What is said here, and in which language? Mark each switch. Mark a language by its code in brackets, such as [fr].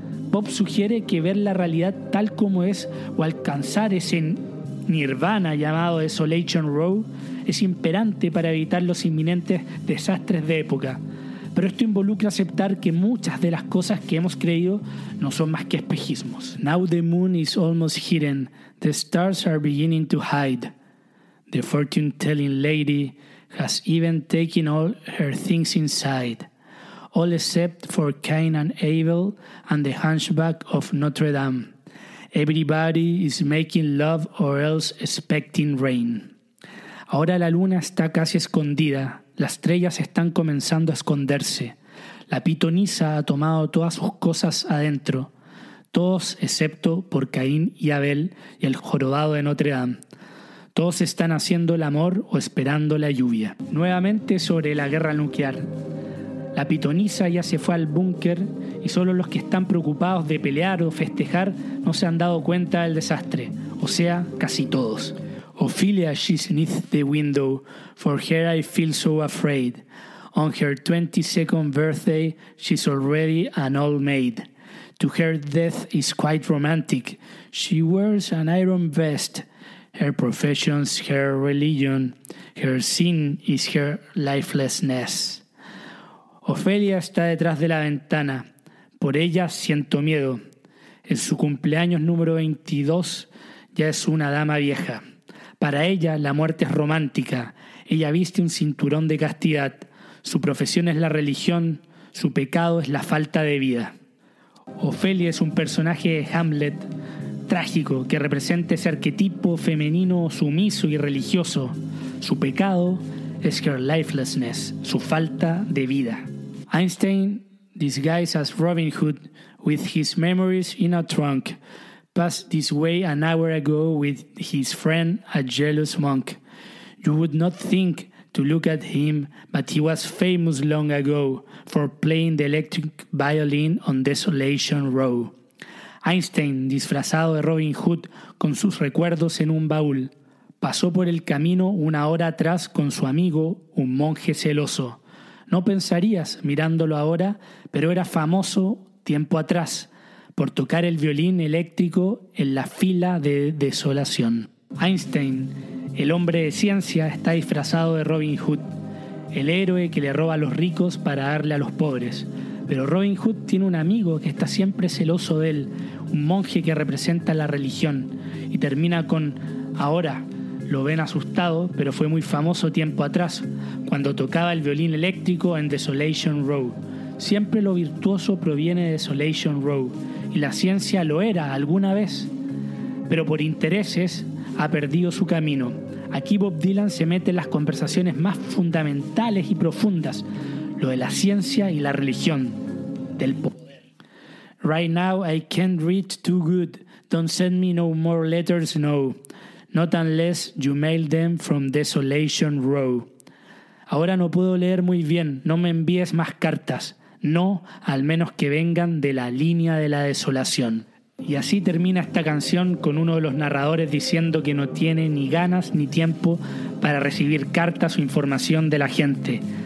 [es] Pop sugiere que ver la realidad tal como es o alcanzar ese nirvana llamado Desolation Row es imperante para evitar los inminentes desastres de época. Pero esto involucra aceptar que muchas de las cosas que hemos creído no son más que espejismos. [en] Now the moon is almost hidden. The stars are beginning to hide. The fortune-telling lady has even taken all her things inside. All except for Cain and Abel and the hunchback of Notre Dame. Everybody is making love or else expecting rain. [es] Ahora la luna está casi escondida. Las estrellas están comenzando a esconderse. La pitonisa ha tomado todas sus cosas adentro. Todos excepto por Caín y Abel y el jorobado de Notre Dame. Todos están haciendo el amor o esperando la lluvia. Nuevamente sobre la guerra nuclear. La pitonisa ya se fue al búnker y solo los que están preocupados de pelear o festejar no se han dado cuenta del desastre. O sea, casi todos. [en] Ophelia, she's beneath the window, for her I feel so afraid. On her 22nd birthday, she's already an old maid. To her death is quite romantic. She wears an iron vest. Her profession's her religion. Her sin is her lifelessness. [es] Ophelia está detrás de la ventana. Por ella siento miedo. En su cumpleaños número 22 ya es una dama vieja. Para ella la muerte es romántica. Ella viste un cinturón de castidad. Su profesión es la religión. Su pecado es la falta de vida. Ophelia es un personaje de Hamlet trágico que representa ese arquetipo femenino sumiso y religioso. Su pecado es [en] her lifelessness, [es] su falta de vida. [en] Einstein, disguised as Robin Hood, with his memories in a trunk, passed this way an hour ago with his friend, a jealous monk. You would not think to look at him, but he was famous long ago for playing the electric violin on Desolation Row. [es] Einstein, disfrazado de Robin Hood, con sus recuerdos en un baúl, pasó por el camino una hora atrás con su amigo, un monje celoso. No pensarías mirándolo ahora, pero era famoso tiempo atrás por tocar el violín eléctrico en la fila de desolación. Einstein, el hombre de ciencia, está disfrazado de Robin Hood, el héroe que le roba a los ricos para darle a los pobres. Pero Robin Hood tiene un amigo que está siempre celoso de él, un monje que representa la religión, y termina con ahora. Lo ven asustado, pero fue muy famoso tiempo atrás, cuando tocaba el violín eléctrico en Desolation Row. Siempre lo virtuoso proviene de Desolation Row, y la ciencia lo era alguna vez. Pero por intereses, ha perdido su camino. Aquí Bob Dylan se mete en las conversaciones más fundamentales y profundas, lo de la ciencia y la religión, del poder. [en] Right now I can't read too good, don't send me no more letters, no. Not unless you mail them from Desolation Row. [es] Ahora no puedo leer muy bien, no me envíes más cartas. No, al menos que vengan de la línea de la desolación. Y así termina esta canción con uno de los narradores diciendo que no tiene ni ganas ni tiempo para recibir cartas o información de la gente.